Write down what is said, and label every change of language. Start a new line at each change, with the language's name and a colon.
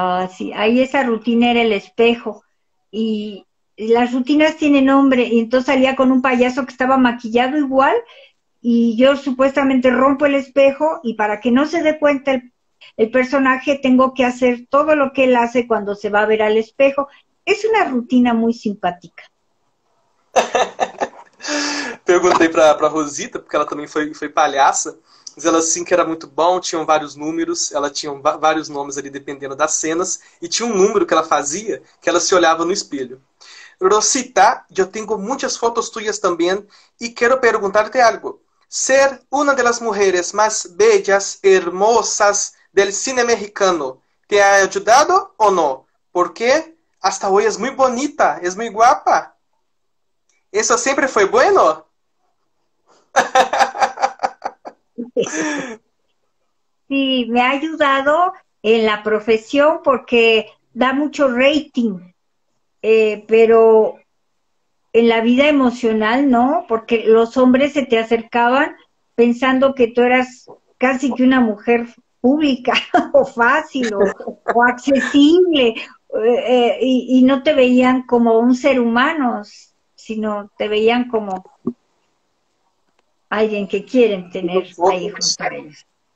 Spanish: Sí, ahí esa rutina era el espejo, y las rutinas tienen nombre, y entonces salía con un payaso que estaba maquillado igual, y yo supuestamente rompo el espejo, y para que no se dé cuenta el personaje, tengo que hacer todo lo que él hace cuando se va a ver al espejo. Es una rutina muy simpática.
Portuguese: Perguntei para Rosita, porque ela também foi palhaça, mas ela assim que era muito bom, tinham vários números, ela tinha vários nomes ali dependendo das cenas, e tinha um número que ela fazia, que ela se olhava no espelho. Rosita, eu tenho muitas fotos tuyas também, e quero perguntar-te algo. Ser uma das mulheres mais
Spanish: bellas, hermosas del cine mexicano, te ha
Portuguese: ajudado ou não?
Spanish: Porque hasta hoy es muy bonita, es muy guapa. ¿Eso siempre fue bueno? Sí, me ha ayudado en la profesión porque da mucho rating, pero en la vida emocional no, porque los hombres se te acercaban pensando que tú eras casi que una mujer pública o fácil o accesible, y no te veían como un ser humano, sino te veían como alguien que quieren tener ahí junto a ellos.